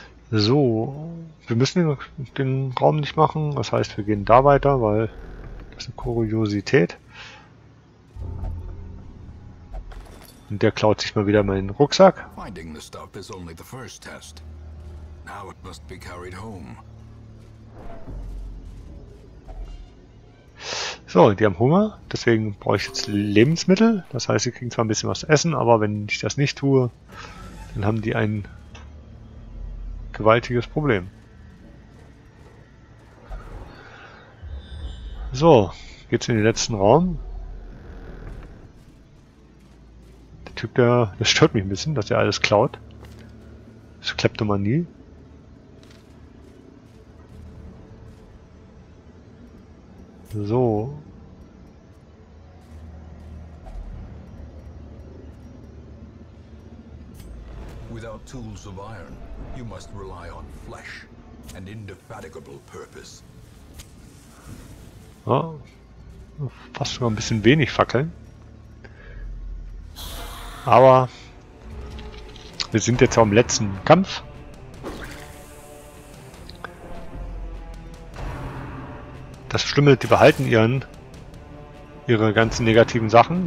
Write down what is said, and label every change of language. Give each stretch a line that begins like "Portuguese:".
German: So, wir müssen den Raum nicht machen, das heißt, wir gehen da weiter, weil das ist eine Kuriosität. Und der klaut sich mal wieder meinen Rucksack.
English: Finding the stuff is only the first test. Now it must be carried home.
German: So, die haben Hunger, deswegen brauche ich jetzt Lebensmittel. Das heißt, sie kriegen zwar ein bisschen was zu essen, aber wenn ich das nicht tue, dann haben die ein gewaltiges Problem. So, geht's in den letzten Raum. Der Typ, das stört mich ein bisschen, dass er alles klaut. Das ist Kleptomanie. So.
English: Without tools of iron, you must rely on flesh and indefatigable purpose.
German: Ja, fast schon ein bisschen wenig Fackeln. Aber wir sind jetzt auch im letzten Kampf. Das Schlimme, die behalten ihre ganzen negativen Sachen.